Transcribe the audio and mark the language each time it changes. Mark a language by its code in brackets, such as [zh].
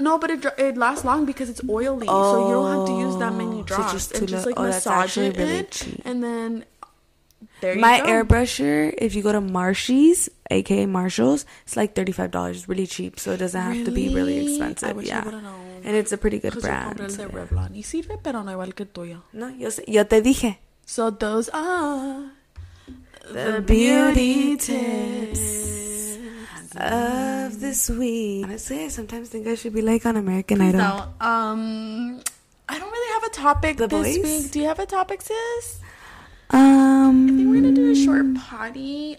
[en] No, but it lasts long because it's oily, so you don't have to use that many drops. So just and just like massage it, really cheap. And then there you my go. My airbrusher, if you go to Marshy's, aka Marshall's, it's like $35. Really cheap, so it doesn't have to be really expensive. I wish yeah. I would have known. And it's a pretty good brand. [es] Y sirve, pero no igual que tuyo. No, yo te dije. [en] So those are the beauty tips of this week. Honestly, I sometimes think I should be like on American Idol. I don't really have a topic the this voice? Week. Do you have a topic, sis? I think we're gonna do a short potty.